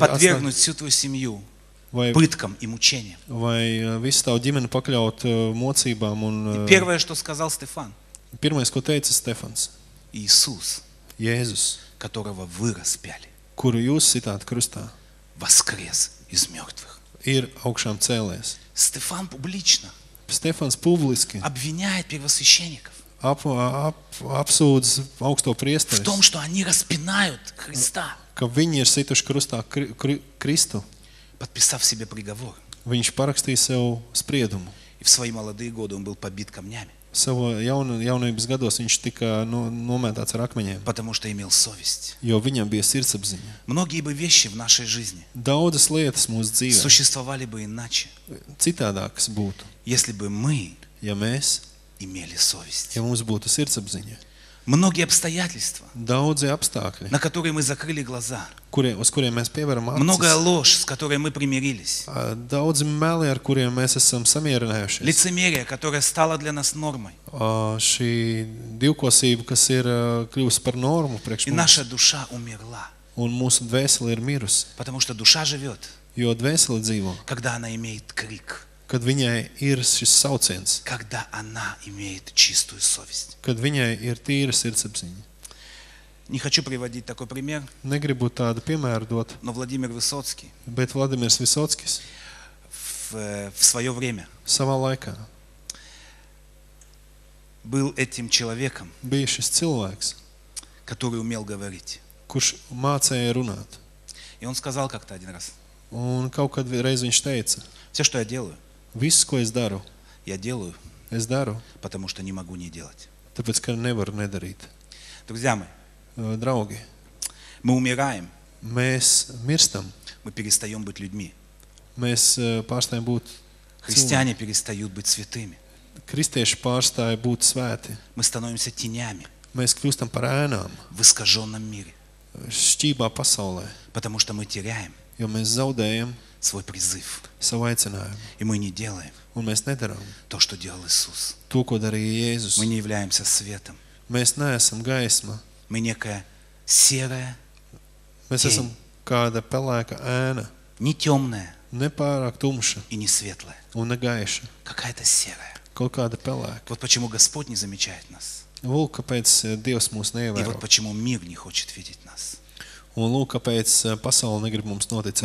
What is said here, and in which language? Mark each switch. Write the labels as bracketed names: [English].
[Russian] подвергнуть всю твою семью пыткам и мучениям. [Latvian] Vai visu tavu ģimeni pakļaut mocībām un [Russian] И первое, что сказал Стефан. [Latvian] Pirmais, ko teica Stefans. [Russian] Иисус. [Latvian] Jēzus, [Russian] которого вы распяли. [Latvian] Kuru jūs sitāt krustā. [Russian] Воскрес из мёртвых. [Latvian] Ir augšām cēlies. [Russian] Стефан публично. Стефанс публично. Обвиняет первосвященников. [Latvian] Apsūdz augsto priesteri. [Russian] В том, что они распинают Христа. [Latvian] Ka viņi ir situši krustā Kristu. [Russian] Подписав себе приговор. [Latvian] Viņš parakstīja sev spriedumu. [Russian] И в свои молодые годы он был побит камнями. [Latvian] Savo jaunības gados viņš tika nomētāts ar akmeņiem. [Russian] Потому что имел совесть. [Latvian] Jo viņam bija sirdsapziņa. [Russian] Многие бы вещи в нашей жизни. [Latvian] Daudzas lietas mūsu dzīvē. [Russian] Существовали бы иначе. [Latvian] Citādākas būtu. [Russian] Если бы мы. [Latvian] Ja mēs. [Russian] Имели совесть. [Latvian] Ja mums būtu sirdsapziņa. [Russian] Многие обстоятельства. [Latvian] Daudzi apstākļi. [Russian] На которые мы закрыли глаза. [Latvian] Uz kuriem mēs pieveram acis. [Russian] Многая ложь, с которой мы примирились. [Latvian] Daudzi meli, ar kuriem mēs esam samierinājušies. [Russian] Лицемерие, которое стало для нас нормой. [Latvian] Šī divkosība, kas ir kļuvusi par normu priekš mums. [Russian] И наша душа умерла. [Latvian] Un mūsu dvēsele ir mirusi. [Russian] Потому что душа живёт. [Latvian] Jo dvēsele dzīvo. [Russian] Когда она имеет крик. [Latvian] Kad viņai ir šis sauciens. [Russian] Когда она имеет чистую совесть. [Latvian] Kad viņai ir tīra sirdsapziņa. [Russian] Не хочу приводить такой пример. [Latvian] Negribu tādu piemēru dot. [Russian] Но Владимир Высоцкий. [Latvian] Bet Vladimirs Visockis. [Russian] В своё время. [Latvian] Savā laikā. [Russian] Был этим человеком. [Latvian] Bija šis cilvēks. [Russian] Который умел говорить. [Latvian] Kurš mācēja runāt. [Russian] И он сказал как-то один раз. [Latvian] Un kaut kad reiz viņš teica. [Russian] Все, что я делаю. [Latvian] Viss, ko es daru, [Russian] я делаю, [Latvian] es daru, [Russian] потому что не могу не делать. [Latvian] Tāpēc, ka nevaru nedarīt. [Russian] Друзья мои, [Latvian] draugi, [Russian] мы умираем, [Latvian] mēs mirstam, [Russian] мы перестаем быть людьми, [Latvian] mēs pārstājam būt cilvēki, [Russian] христиане перестают быть святыми, [Latvian] kristieši pārstāja būt svēti, [Russian] мы становимся тенями, [Latvian] mēs kļūstam par ēnām, [Russian] в искаженном мире, [Latvian] šķībā pasaulē, [Russian] потому что мы теряем, [Latvian] jo mēs zaudējam, [Russian] свой призыв. [Latvian] Savu aicinājumu. [Russian] И мы не делаем. [Latvian] Un mēs nedarām. [Russian] То, что делал Иисус. [Latvian] To, ko darīja Jēzus. [Russian] Мы не являемся светом. [Latvian] Mēs neesam gaisma. [Russian] Мы некая серая. [Latvian] Mēs esam kāda pelēka ēna. [Russian] Не тёмная. [Latvian] Не пārāk tumša. [Russian] И не светлая. [Latvian] Un ne gaiša. [Russian] Какая-то серая. [Latvian] Kaut kāda pelēka. [Russian] Вот почему Господь не замечает нас. [Latvian] Lūk, kāpēc Dievs mūs neievēro. [Russian] И вот почему мир не хочет видеть нас. [Latvian] Un lūk, kāpēc pasaule negrib mums noticēt.